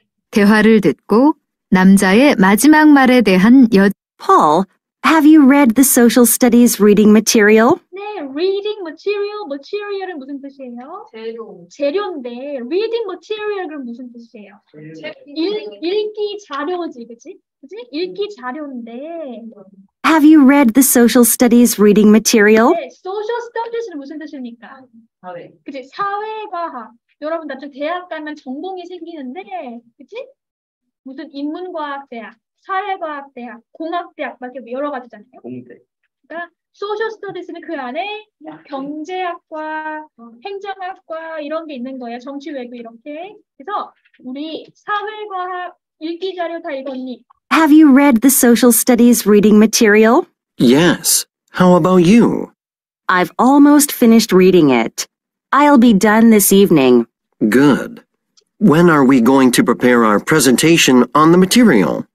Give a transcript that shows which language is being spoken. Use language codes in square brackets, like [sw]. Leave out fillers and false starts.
[ko] 대화를 듣고 남자의 마지막 말에 대한 여 [en] Paul, have you read the social studies reading material? 네, reading material. [ko] Material은 무슨 뜻이에요? 재료. 재료인데 reading material은 무슨 뜻이에요? 읽기 자료지, 그치? 그치? 읽기 자료인데 [en] Have you read the social studies reading material? [ko] 네, social studies는 무슨 뜻입니까? 사회. 그치, 사회과학. 여러분, 나중에 대학 가면 전공이 생기는데, 그치? 무슨 인문과학대학, 사회과학대학, 공학대학, 막 이렇게 여러 가지잖아요. 공대. 그러니까 social studies는 그 안에 경제학과, 행정학과 이런 게 있는 거예요. 정치 외교 이렇게. 그래서 우리 사회과학 읽기 자료 다 읽었니? [en] Have you read the social studies reading material? Yes. How about you? I've almost finished reading it. I'll be done this evening. Good. When are we going to prepare our presentation on the material?